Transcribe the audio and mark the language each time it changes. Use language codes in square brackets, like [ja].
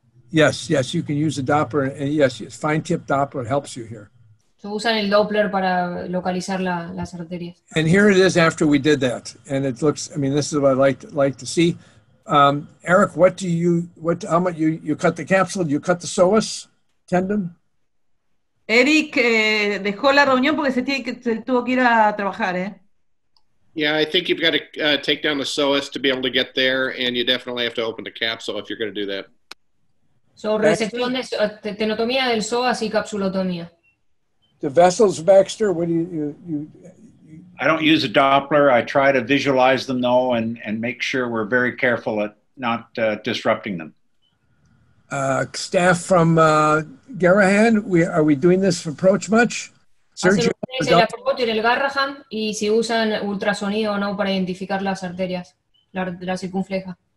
[en] Yes, yes, you can use a Doppler, and yes, yes, fine tip Doppler helps you here. [es] So usan el Doppler para localizar las arterias. [en] And here it is after we did that, and it looks, I mean, this is what I like to see. Eric, how much you cut the capsule, you cut the psoas tendon? [es] Eric dejó la reunión porque se tuvo que ir a trabajar, ¿eh? [en] Yeah, I think you've got to take down the psoas to be able to get there, and you definitely have to open the capsule if you're going to do that. [es] So, resección de tenotomía del psoas y capsulotomía. [en] The vessels, Baxter, what do you... I don't use a Doppler. I try to visualize them, though, and make sure we're very careful at not disrupting them. Staff from Garrahan, are we doing this approach much? Sergio? [es] Hacen el approach en el Garrahan, y si usan ultrasonido o no para identificar las arterias, la circunfleja.